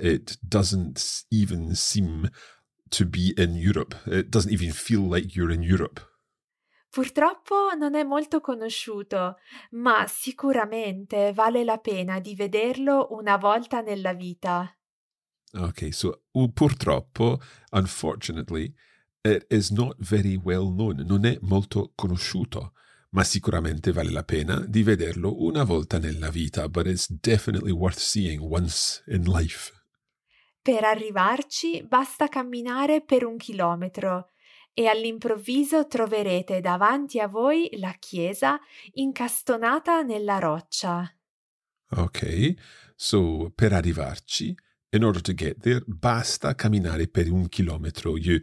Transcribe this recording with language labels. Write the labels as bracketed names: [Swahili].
[English] It doesn't even seem to be in Europe. It doesn't even feel like you're in Europe. [Italian] Purtroppo non è molto conosciuto, ma sicuramente vale la pena di vederlo una volta nella vita. [English] Okay, so purtroppo, unfortunately, it is not very well known. [Italian] Non è molto conosciuto, ma sicuramente vale la pena di vederlo una volta nella vita. [English] But it's definitely worth seeing once in life. [Italian] Per arrivarci basta camminare per un chilometro. E all'improvviso troverete davanti a voi la chiesa incastonata nella roccia. Ok, so per arrivarci, in order to get there, basta camminare per un chilometro.